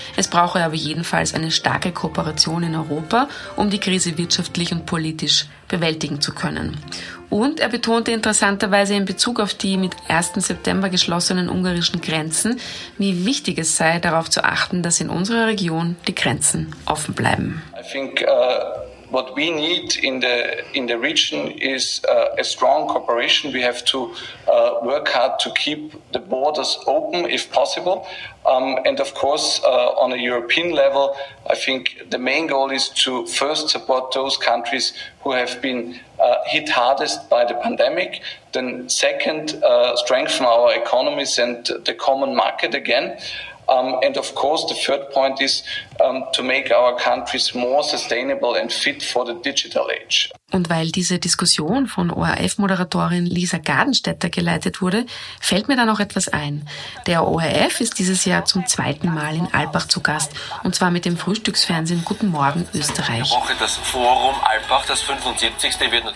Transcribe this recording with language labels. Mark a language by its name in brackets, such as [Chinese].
[German] Es brauche aber jedenfalls eine starke Kooperation in Europa, um die Krise wirtschaftlich und politisch bewältigen zu können. Und er betonte interessanterweise in Bezug auf die mit 1. September geschlossenen ungarischen Grenzen, wie wichtig es sei, darauf zu achten, dass in unserer Region die Grenzen offen bleiben. [English] I think what we need in the region is a strong cooperation. We have to work hard to keep the borders open if possible. And of course, on a European level, I think the main goal is to first support those countries who have been hit hardest by the pandemic. Then second, strengthen our economies and the common market again. And of course, the third point is to make our countries more sustainable and fit for the digital age. [German] Und weil diese Diskussion von ORF-Moderatorin Lisa Gardenstätter geleitet wurde, fällt mir da noch etwas ein. Der ORF ist dieses Jahr zum zweiten Mal in Albach zu Gast, und zwar mit dem Frühstücksfernsehen Guten Morgen Österreich. Das Forum Albach, das 75. wird natürlich